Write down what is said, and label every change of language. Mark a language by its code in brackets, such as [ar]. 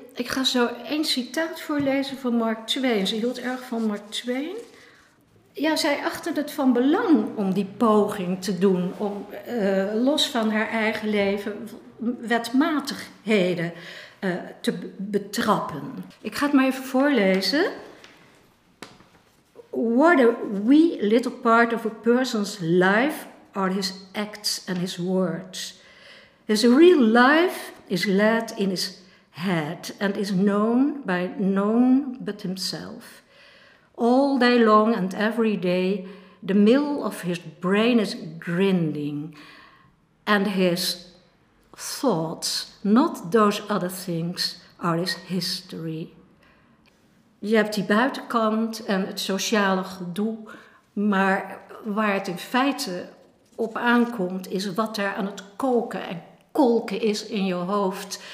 [nl] Ik ga zo één citaat voorlezen van Mark Twain. Ze hield erg van Mark Twain. Ja, zij achtte het van belang om die poging te doen, om los van haar eigen leven wetmatigheden te betrappen. Ik ga het maar even voorlezen. [en] What a wee little part of a person's life are his acts and his words. His real life is led in his head and is known by none but himself. All day long and every day, the mill of his brain is grinding, and his thoughts, not those other things, are his history. [nl] Je hebt die buitenkant en het sociale gedoe, maar waar het in feite op aankomt is wat er aan het koken en kolken is in je hoofd.